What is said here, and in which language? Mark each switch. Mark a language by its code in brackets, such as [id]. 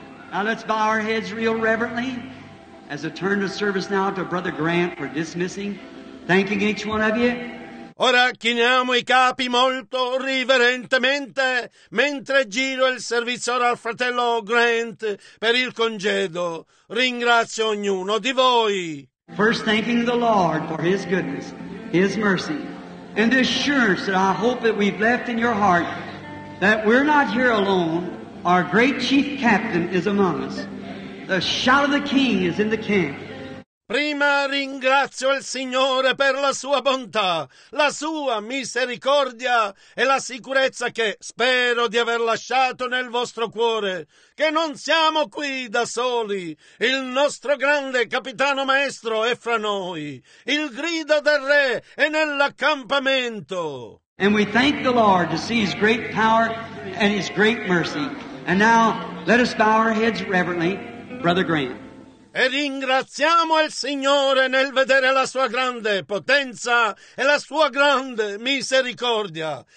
[en] Now let's bow our heads real reverently as a turn of service now to Brother Grant for dismissing, thanking each one of you. [it] Ora chiniamo i capi molto riverentemente mentre giro il servizio al fratello Grant per il congedo. Ringrazio ognuno di voi. [en] First thanking the Lord for His goodness, His mercy, and the assurance that I hope that we've left in your heart that we're not here alone. Our great chief captain is among us. The shout of the king is in the camp. [it] Prima ringrazio il Signore per la sua bontà, la sua misericordia e la sicurezza che spero di aver lasciato nel vostro cuore, che non siamo qui da soli. Il nostro grande capitano maestro è fra noi. Il grido del re è nell'accampamento. [en] And we thank the Lord to see His great power and His great mercy. And now let us bow our heads reverently, Brother Grant. [it] E ringraziamo il Signore nel vedere la sua grande potenza e la sua grande misericordia.